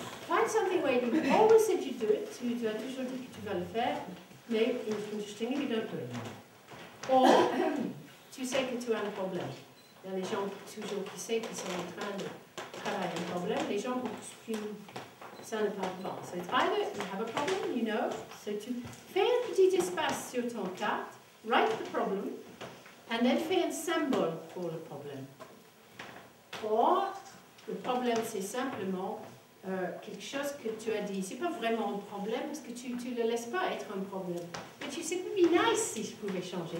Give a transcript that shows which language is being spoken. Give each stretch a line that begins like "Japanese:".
English: Find something where you always said you'd do it, so you do it, you're sure you'd
French: faire,
English: but it's interesting if you don't do it.
French: Or, tu sais que tu as un problème. Il y a des gens toujours qui savent qu'ils sont en train de travailler un problème, les gens qui ça ne parle pas.
English: So it's either you have a problem, you know, so
French: tu fais un petit espace sur ton carte,
English: write the problem, and then
French: fais un symbole pour le problème. Or, le problème c'est simplement quelque chose que tu as dit, c'est pas vraiment un problème parce que tu ne le laisses pas être un problème.
English: But you said, it would be nice
French: si je pouvais changer.